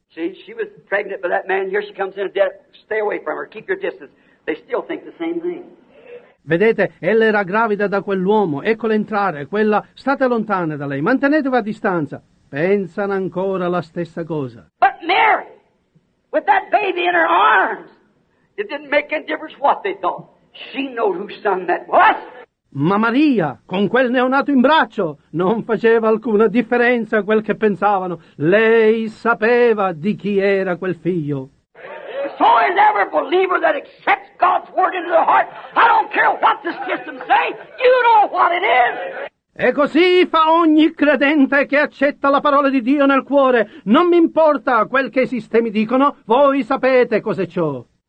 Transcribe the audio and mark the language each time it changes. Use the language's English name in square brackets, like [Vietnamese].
[English] See, she was pregnant by that man. Here she comes in. Stay away from her. Keep your distance. They still think the same thing. [Italian] Vedete, ella era gravida da quell'uomo. Eccola entrare. Quella, state lontane da lei. Mantenetevi a distanza. Pensano ancora la stessa cosa. [English] But Mary! With that baby in her arms, it didn't make any difference what they thought. She knew whose son that was. [Italian] Ma Maria, con quel neonato in braccio, non faceva alcuna differenza a quel che pensavano. Lei sapeva di chi era quel figlio. [English] So is every believer that accepts God's word into their heart. I don't care what the system say, you know what it is. [Italian] E così fa ogni credente che accetta la parola di Dio nel cuore. Non mi importa quel che i sistemi dicono, voi sapete cos'è ciò.